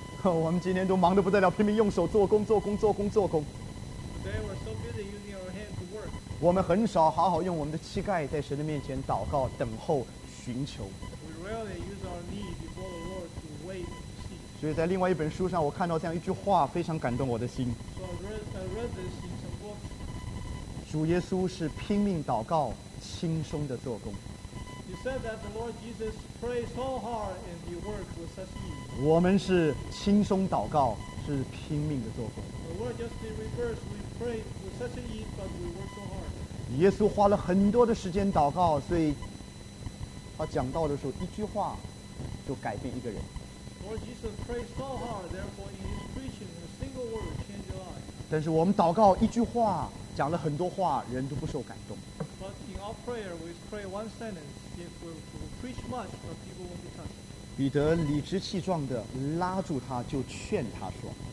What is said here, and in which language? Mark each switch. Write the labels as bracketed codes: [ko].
[zh] 我们今天都忙得不得了，拼命用手做工做工做工做工。 [en] Today we're so busy using our hands to work. [zh] 我们很少好好用我们的膝盖在神的面前祷告、等候、寻求。 [en] We rarely use our knee before the Lord to wait and see. [zh] 所以在另外一本书上，我看到这样一句话，非常感动我的心。 [en] So I read this in some books. [zh] 主耶稣是拼命祷告、轻松的做工。 [en] You said that the Lord Jesus prays so hard and he works with such ease. [zh] 我们是轻松祷告，是拼命的做工。 [en] The Lord just in reverse, we pray with such ease, but we work so hard. [zh] 耶稣花了很多的时间祷告，所以他讲道的时候一句话就改变一个人。 [en] Lord Jesus prays so hard, therefore in his preaching, a single word changes your life. [zh] 但是我们祷告一句话，讲了很多话，人都不受感动。 [en] But in our prayer, we pray one sentence. If we preach much, but people won't be touched. [zh] 彼得理直气壮地拉住他，就劝他说。